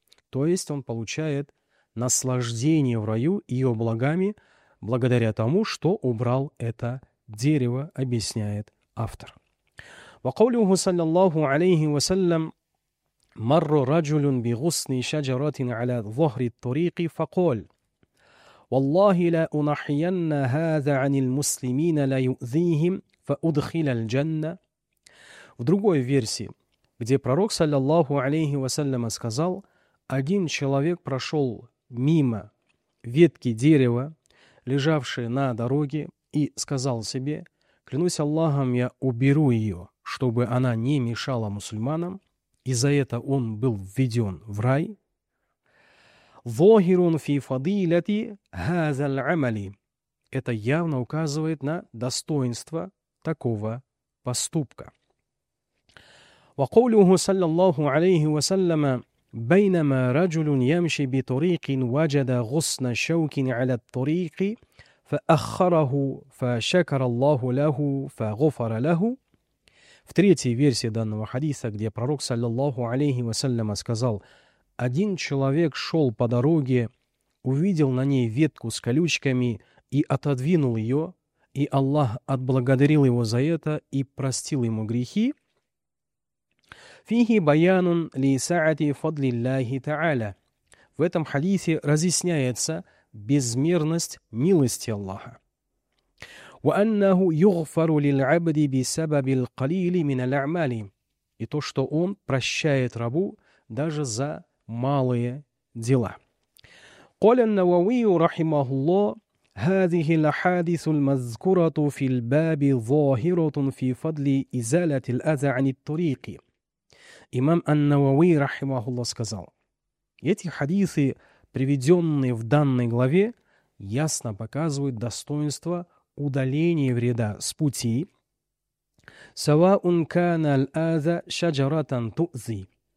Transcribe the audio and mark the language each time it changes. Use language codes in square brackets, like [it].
[ru] То есть он получает наслаждение в раю ее благами, благодаря тому, что убрал это дерево, объясняет автор. [ar] وقوله صلى الله عليه وسلم مر رجل بغصن شجرة على ظهر الطريق فقال والله لا أنحين هذا عن المسلمين لا يؤذيهم فأدخل الجنة. [ru] В другой версии, где пророк [ar] صلى الله عليه وسلم [ru] сказал: один человек прошел мимо ветки дерева, лежавшей на дороге, и сказал себе: клянусь Аллахом, я уберу ее, чтобы она не мешала мусульманам, и за это он был введен в рай. [ar] ظاهرٌ في فضيلتي هذا العمل. [ru] Это явно указывает на достоинство такого поступка. [ar] وقوله صلى الله عليه وسلم بينما رجل يمشي بطريق وجد غصن شوك على الطريق فأخره فشكر الله له فغفر له. [ru] В третьей версии данного хадиса, где пророк, [ar] саллиллаху алейхи вассаляма, [ru] сказал, один человек шел по дороге, увидел на ней ветку с колючками и отодвинул ее, и Аллах отблагодарил его за это и простил ему грехи. [ar] فيه بيان لسعة فضل الله تعالى. [ru] В этом хадисе разъясняется безмерность милости Аллаха. [ar] وأنه يغفر للعبد بسبب القليل من الأعمال. [ru] И то, что он прощает рабу даже за малые дела. [ar] قال النووي رحمه الله هذه الأحاديث المذكورة في الباب ظاهرة في فضل إزالة الأذى عن الطريق. [ru] Имам ан-Науи, рахимахуллах, сказал, эти хадисы, приведенные в данной главе, ясно показывают достоинство удаления вреда с пути. [ar] Саваун кана аль-аза шаджаратан тузи.